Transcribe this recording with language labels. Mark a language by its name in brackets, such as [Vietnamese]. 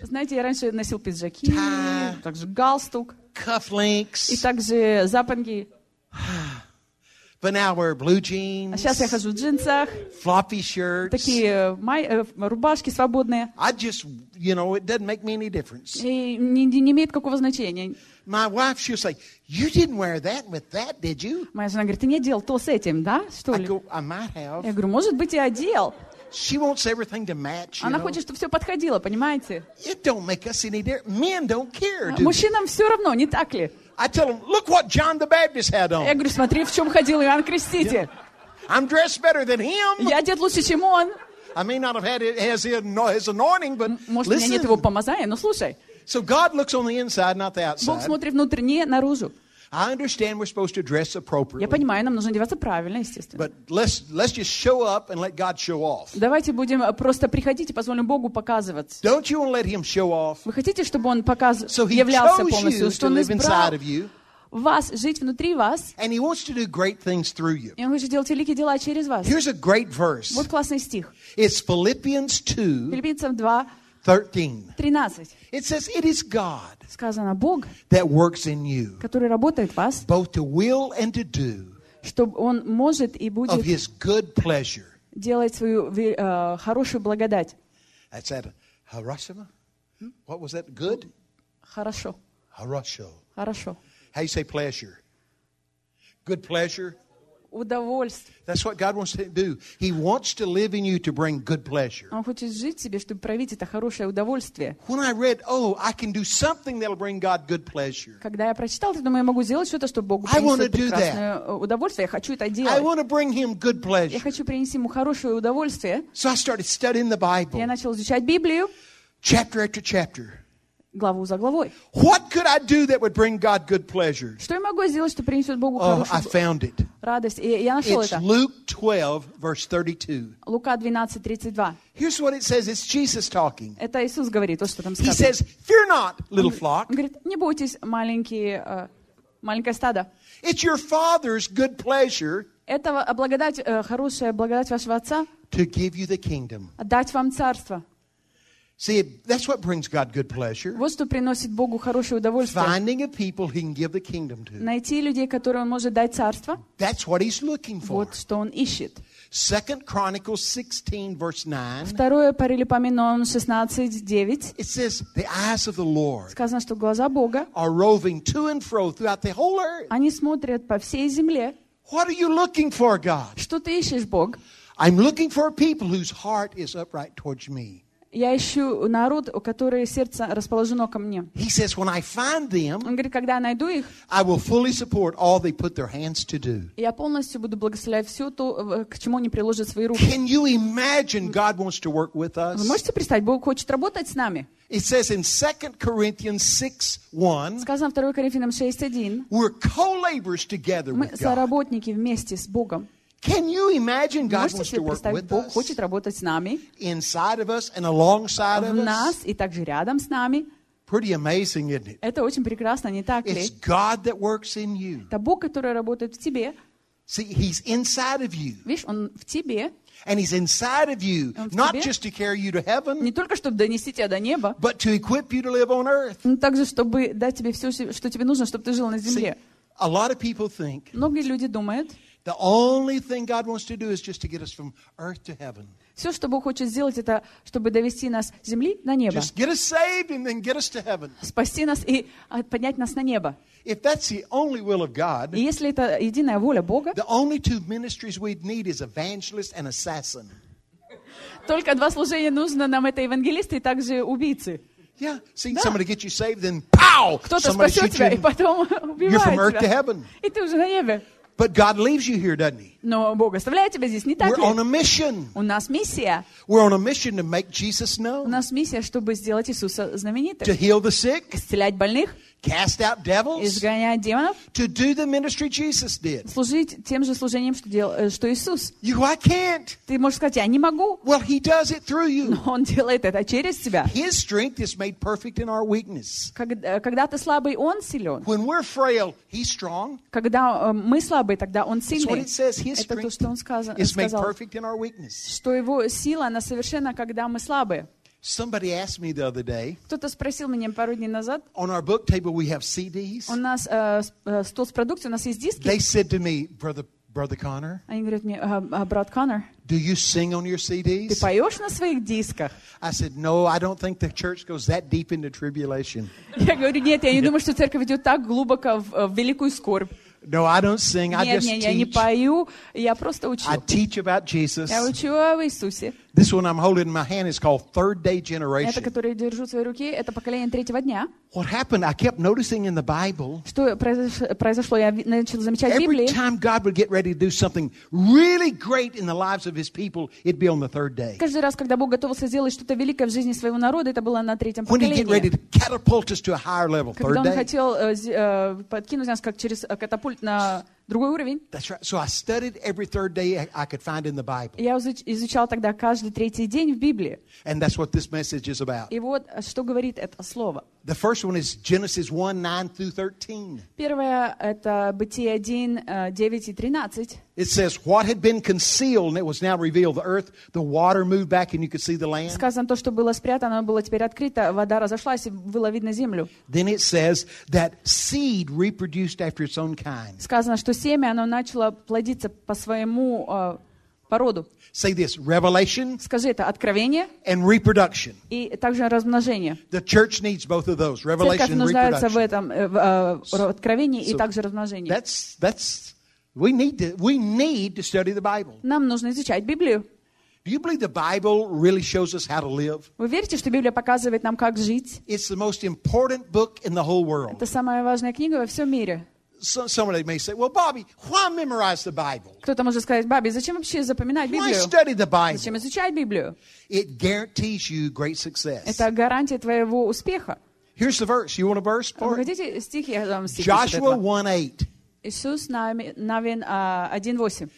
[Russian] Знаете, я раньше носил пиджаки, [English] tie, [Russian] также галстук, [English] cufflinks, [Russian] и также запонки. [English] But now I wear blue jeans. [Russian] А сейчас я хожу в джинсах. [English] Floppy shirts. [Russian] Такие рубашки свободные. [English] I just, you know, it doesn't make me any difference. [Russian] И не имеет какого значения. [English] My wife, she'll say, "You didn't wear that with that, did you?" [Russian] Моя жена говорит, ты не одел то с этим, да, что ли? [English] I go, I might have. [Russian] Я говорю, может быть, я одел. [English] She wants everything to match. [Russian] Она хочет, чтобы все подходило, понимаете? [English] It don't make us any difference. Men don't care. [Russian] Мужчинам все равно, не так ли? [English] I tell them, look what John the Baptist had on. [Russian] Я говорю, смотри, в чем ходил Иоанн Креститель. [English] Yeah. I'm dressed better than him. [Russian] Я одет лучше, чем он. [English] I may not have had it as his anointing, but [Russian] Может, [English] listen. [Russian] У меня нет его помазания, но слушай. [English] So God looks on the inside, not the outside. [Russian] Бог смотрит внутренне, наружу. [English] I understand we're supposed to dress appropriately. [Russian] Я понимаю, нам нужно одеваться правильно, естественно. [English] But let's just show up and let God show off. [Russian] Давайте будем просто приходить и позволим Богу показываться. [English] Don't you want to let Him show off? [Russian] Вы хотите, чтобы Он являлся полностью, что Он избрал вас, жить внутри вас. [English] And He wants to do great things through you. [Russian] И Он хочет делать великие дела через вас. [English] Here's a great verse. [Russian] Вот классный стих. [English] It's Philippians 2. [Russian] Филиппийцам 2. [English] 13. It says, it is God [Russian] сказано, Бог, [English] that works in you, [Russian] который работает в вас, [English] both to will and to do, [Russian] чтобы он может и будет [English] of His good pleasure. [Russian] Делать свою хорошую благодать. [English] I said, Harashima? What was that? Good? [Russian] Хорошо. Хорошо. Хорошо. [English] How you say pleasure? Good pleasure? That's what God wants to do. He wants to live in you to bring good pleasure. [Russian] Он хочет жить себе, чтобы проявить это хорошее удовольствие. [English] When I read, oh, I can do something that'll bring God good pleasure. [Russian] Когда я прочитал, я думаю, я могу сделать что-то, чтобы Богу принести прекрасное удовольствие. Я хочу это делать. [English] I want to bring Him good pleasure. [Russian] Я хочу принести ему хорошее удовольствие. [English] So I started studying the Bible. [Russian] Я начал изучать Библию. [English] Chapter after chapter. [Russian] Главу за главой. [English] What could I do that would bring God good pleasure? [Russian] Что я могу сделать, что принесет Богу хорошую радость? И я нашел [English] это. Luke 12, verse 32. [Russian] Лука 12:32. [English] Here's what it says. It's Jesus talking. [Russian] Это Иисус говорит, то, что там [English] сказано. He says, "Fear not, little flock." [Russian] Он говорит, не бойтесь, маленькое стадо. [English] It's your Father's good pleasure. [Russian] Это благодать, хорошая благодать вашего Отца. [English] To give you the kingdom. [Russian] Дать вам царство. [English] See, that's what brings God good pleasure. [Russian] Вот что приносит Богу хорошее удовольствие. [English] Finding a people He can give the kingdom to. [Russian] Найти людей, которым Он может дать царство. [English] That's what He's looking for. [Russian] Вот что Он ищет. [English] 2 Chronicles 16, verse 9. [Russian] Второе Паралипоменон 16:9. [English] It says, the eyes of the Lord. [Russian] Сказано, что глаза Бога. [English] Are roving to and fro throughout the whole earth. [Russian] Они смотрят по всей земле. [English] What are you looking for, God? [Russian] Что ты ищешь, Бог? [English] I'm looking for a people whose heart is upright towards me. [Russian] Я ищу народ, у которого сердце расположено ко мне. [English] He says, when I find them, [Russian] он говорит, когда я найду их, [English] I will fully support all they put their hands to do. [Russian] Я полностью буду благословлять все то, к чему они приложат свои руки. [English] Can you imagine God wants to work with us? [Russian] Вы можете представить, Бог хочет работать с нами? [English] It says in 2 Corinthians 6:1. [Russian] Сказано 2 Коринфянам 6:1. [English] We're co-laborers together with God. [Russian] Мы соработники вместе с Богом. [English] Can you imagine God wants to work with [Russian] Бог хочет работать с нами? [English] Inside of us and alongside of us. [Russian] В нас и также рядом с нами. [English] Pretty amazing, isn't it? [Russian] Это очень прекрасно, не так ли? [English] It's God that works in you. [Russian] Это Бог, который работает в тебе. [English] See, He's inside of you. [Russian] Видишь, он в тебе. [English] And He's inside of you, not just to carry you to heaven. [Russian] Не только чтобы донести тебя до неба. [English] But to equip you to live on earth. [Russian] Но также чтобы дать тебе все, что тебе нужно, чтобы ты жил на земле. [English] A lot of people think. [Russian] Многие люди думают. [English] The only thing God wants to do is just to get us from earth to heaven. [Russian] Все, что Бог хочет сделать, это чтобы довести нас с земли на небо. [English] Just get us saved and then get us to heaven. [Russian] Спасти нас и поднять нас на небо. [English] If that's the only will of God, [Russian] и если это единая воля Бога, [English] the only two ministries we'd need is evangelist and assassin. [Russian] Только два служения нужно нам, это евангелисты и также убийцы. [English] Yeah, see, да. Somebody gets you saved, then pow! [Russian] Кто-то спасет тебя, [English] you, [Russian] и потом убивает [English] you're from earth [Russian] тебя. [English] To heaven. [Russian] И ты уже на небе. [English] But God leaves you here, doesn't He? [Russian] Но Бог оставляет тебя здесь, не так [English] We're [Russian] ли? [English] We're on a mission. [Russian] У нас миссия. [English] We're on a mission to make Jesus known. [Russian] У нас миссия, чтобы сделать Иисуса знаменитым. [English] To heal the sick. [Russian] Исцелять больных. [English] Cast out devils. [Russian] Изгонять демонов. [English] To do the ministry Jesus did. [Russian] Служить тем же служением, что Иисус. [English] You, I can't. [Russian] Ты можешь сказать, я не могу. [English] Well, He does it through you. [Russian] Но Он делает это через тебя. [English] His strength is made perfect in our weakness. [Russian] Когда ты слабый, Он силен. [English] When we're frail, He's strong. [Russian] Когда мы слабые, тогда Он сильный. [English] That's what it says. His strength [Russian] это то, что Он сказал. [English] Is made perfect in our weakness. [Russian] Что Его сила, она совершенна, когда мы слабые. [English] Somebody asked me the other day. [Russian] Кто-то спросил меня пару дней назад. [English] On our book table we have CDs. [Russian] У нас стол с продукцией, у нас есть диски. [English] They said to me, brother Connor. [Russian] Они говорят мне, брат Коннор. [English] Do you sing on your CDs? [Russian] Ты поешь на своих дисках? [English] I said, no, I don't think the church goes that deep into tribulation. [Russian] Я говорю, нет, я не думаю, что церковь идет так глубоко в великую скорбь. [English] No, I don't sing. [Russian] Нет, [English] I just [Russian] я [English] teach. [Russian] Не пою, я просто учу. [English] I teach about Jesus. [Russian] Я учу о Иисусе. [English] This one I'm holding in my hand is called Third Day Generation. [Russian] Это, которое я держу в своей руке, это поколение третьего дня. [English] What happened? I kept noticing in the Bible. [Russian] Что произошло? Я начал замечать в Библии. [English] Every time God would get ready to do something really great in the lives of His people, it'd be on the third day. [Russian] Каждый раз, когда Бог готовился сделать что-то великое в жизни своего народа, это было на третьем [English] when [Russian] поколении. [English] When He get ready to catapult us to a higher level, third day. [Russian] Когда Он хотел подкинуть нас как через катапульт на другой уровень. [English] That's right. So I studied every third day I could find in the Bible. [Russian] Я изучал тогда каждый третий день в Библии. [English] And that's what this message is about. [Russian] И вот что говорит это слово. [English] The first one is Genesis 1, 9 through 13. [Russian] Первое это Бытие 1, 9 и 13. [English] It says what had been concealed and it was now revealed. The earth, the water moved back and you could see the land. [Russian] Сказано то, что было спрятано, было теперь открыто. Вода разошлась и было видно землю. [English] Then it says that seed reproduced after its own kind. [Russian] Сказано, что семя оно начало плодиться по своему породу. [English] Say this, revelation. [Russian] Скажи это, откровение. [English] And reproduction. [Russian] И также размножение. [English] The church needs both of those, revelation and reproduction. [Russian] Церковь нуждается в этом откровении и также размножении. [English] That's we need to study the Bible. [Russian] Нам нужно изучать Библию. [English] Do you believe the Bible really shows us how to live? [Russian] Вы верите, что Библия показывает нам как жить? [English] It's the most important book in the whole world. [Russian] Это самая важная книга во всем мире. [English] Somebody may say, "Well, Bobby, why memorize the Bible?" [Russian] Кто-то может сказать, Бобби, зачем вообще запоминать Библию? [English] Why study the Bible? [Russian] Зачем изучать Библию? [English] It guarantees you great success. [Russian] Это гарантия твоего успеха. [English] Here's the verse. You want a verse? [Russian] Вы хотите стих? Я вам стих. [English] Joshua 1:8. [Russian] Иисус Навин 1:8.